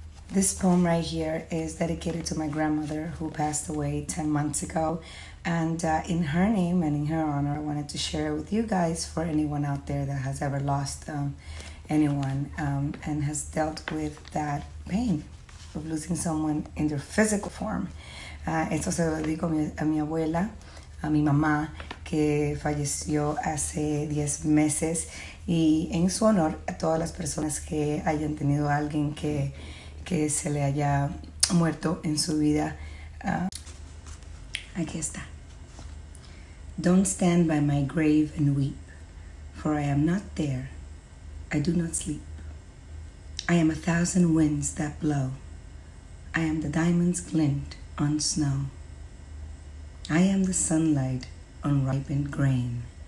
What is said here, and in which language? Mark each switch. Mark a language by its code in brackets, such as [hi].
[en] This poem right here is dedicated to my grandmother who passed away 10 months ago. And in her name and in her honor, I wanted to share it with you guys for anyone out there that has ever lost anyone and has dealt with that pain of losing someone in their physical form. [es] Esto se lo dedico a mi abuela, a mi mamá, que falleció hace 10 meses. Y en su honor, a todas las personas que hayan tenido a alguien que se le haya muerto en su vida. Aquí está. [en] Don't stand by my grave and weep, for I am not there. I do not sleep. I am a thousand winds that blow. I am the diamond's glint on snow. I am the sunlight on ripened grain.